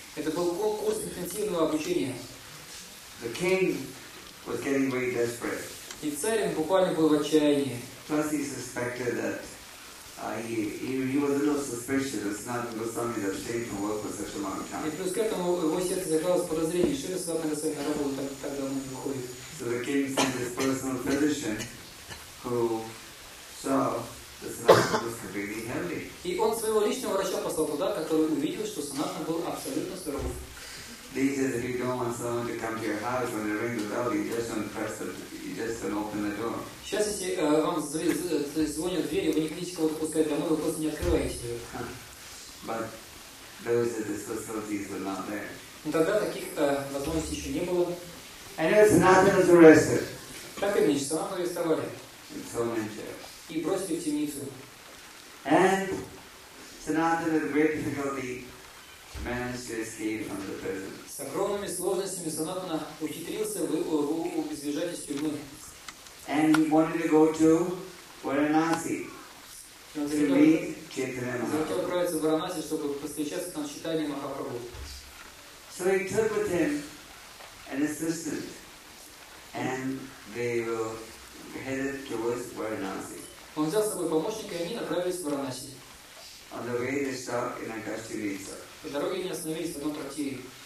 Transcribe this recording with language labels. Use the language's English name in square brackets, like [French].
[Russian] Это был курс интенсивного обучения. [English] The king was getting very desperate. [Russian] И царь буквально был в отчаянии. [English] Plus he suspected that he was a little suspicious that Sanatana Goswami had stayed from work for such a long time. [Russian] И плюс к этому его сердце закралось подозрение, что Sanatana Goswami работал так давно не выходит. [English] So the king sent his personal physician who saw that Sanatana was completely healthy. [Russian] И он своего личного врача послал туда, который увидел, что Sanatana был абсолютно здоров. [English] They said that you don't want someone to come to your house when they ring the bell, you just don't open the door. [Russian] Сейчас если вам звонят двери, вы не хотите кого-то пускать домой, вы просто не открываете ее. [English] But those facilities were not there. [Russian] Но тогда таких возможностей еще не было. [English] Anyway, Sanatana was arrested. [Russian] Так и не, Sanatana арестовали. [English] And thrown in jail. [Russian] И бросили в темницу. [English] And Sanatana had great difficulty managed to escape from the prison. [Russian] С огромными сложностями Санатана ухитрился избежать из тюрьмы. [English] And he wanted to go to Varanasi to meet Chaitanya Mahaprabhu. [Russian] Хотел отправиться в Варанаси, чтобы повстречаться там с Чайтаньей Махапрабху. [English] So he took with him an assistant and they were headed towards Varanasi. [Russian] Он взял с собой помощника, и они направились в Варанаси. [English] On the way they stopped in Akashtivisa. [Russian] По дороге они остановились в одном трактире.